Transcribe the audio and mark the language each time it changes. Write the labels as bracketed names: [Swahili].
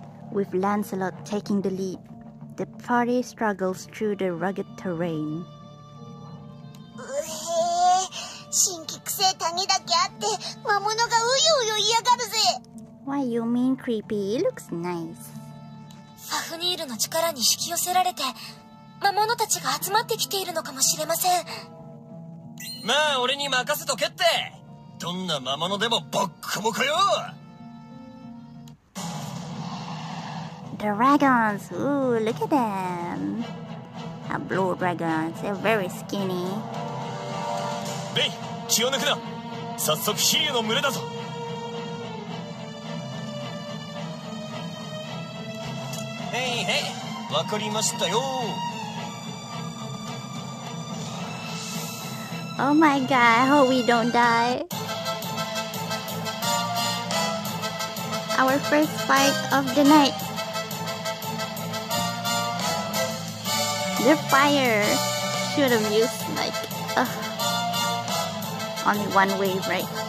[English] With Lancelot taking the lead, the party struggles through the rugged terrain. [Japanese] うへえ、神器くせえ谷だけあって魔物がうようよ嫌がるぜ。 [English] Why you mean creepy? It looks nice. [Japanese] ファフニールの力に引き寄せられて魔物たちが集まってきているのかもしれません。まあ俺に任せとけって。どんな魔物でもボッコボコよ。 [English] Dragons! Ooh, look at them! A blue dragon, they're very skinny. [Japanese] ベイ、気を抜くな。早速ヒーローの群れだぞ。ヘイヘイ、わかりましたよ。 [English] Oh my god, I hope we don't die. Our first fight of the night. The fire should have used like, only one wave, right?